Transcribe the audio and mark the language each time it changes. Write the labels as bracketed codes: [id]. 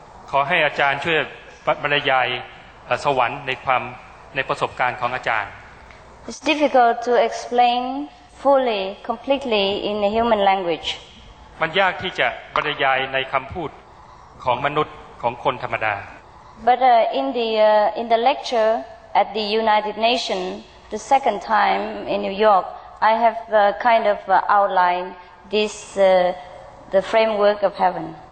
[th] ขอให้อาจารย์ช่วยบรรยายสวรรค์ในความในประสบการณ์ของอาจารย์ [en] It's difficult to explain fully, completely in the human language. [th] มันยากที่จะบรรยายในคำพูดของมนุษย์ของคนธรรมดา [en] But in the lecture at the United Nations, the second time in New York, I have kind of outlined this the framework of heaven.